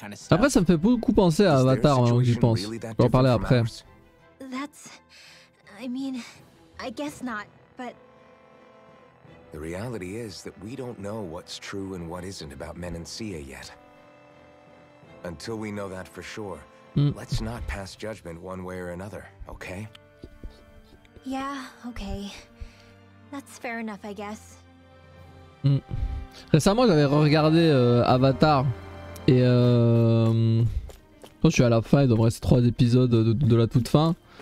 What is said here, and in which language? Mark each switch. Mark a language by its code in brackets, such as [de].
[fr] Après, ça me fait beaucoup penser à Avatar, hein, j'y pense. On va en parler après. [en] That's, I mean, I guess not, but the reality is that we don't know what's true and what isn't about Men and Sia yet. Until we know that for sure, let's not pass judgment one way or another, okay? Yeah, okay. That's fair enough, I guess. Mm. [fr] Récemment, j'avais regardé Avatar et je suis à la fin, il doit me rester 3 épisodes de la toute fin.